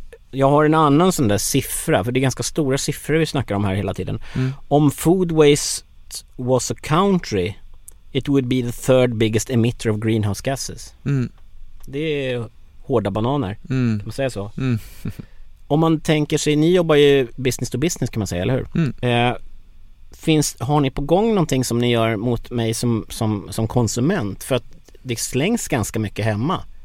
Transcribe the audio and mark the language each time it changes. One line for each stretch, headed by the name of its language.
Swedish: Jag har en annan sån där siffra, för det är ganska stora siffror vi snackar om här hela tiden. Mm.
English: Om food waste was a country, it would be the third biggest emitter of greenhouse gases. Mm.
Swedish: Det är hårda bananer, kan man säga så. Mm. Om man tänker sig, ni jobbar ju business to business kan man säga, eller hur? Mm. Har ni på gång någonting som ni gör mot mig som konsument? För att det slängs ganska mycket hemma.